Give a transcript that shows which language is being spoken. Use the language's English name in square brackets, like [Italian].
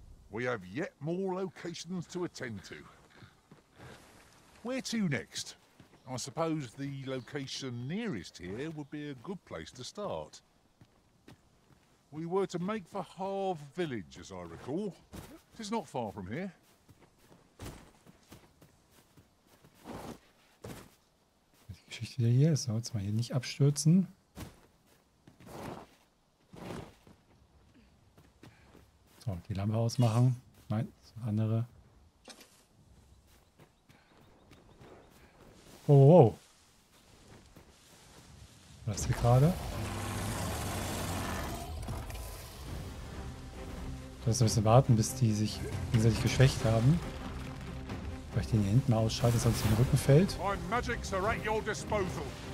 [English] We have yet more locations to attend to. Where to next? I suppose the location nearest here would be a good place to start. We were to make for Harve Village, as I recall. It is not far from here. [German] Die Geschichte hier ist, so, jetzt mal hier nicht abstürzen. So, die Lampe ausmachen. Nein, das andere. Oh, wow, wow. Was ist hier gerade? Du musst ein bisschen warten, bis die sich gegenseitig geschwächt haben. Weil ich den hier hinten ausschalte, sonst im Rücken fällt. [English] My magics are at your disposal.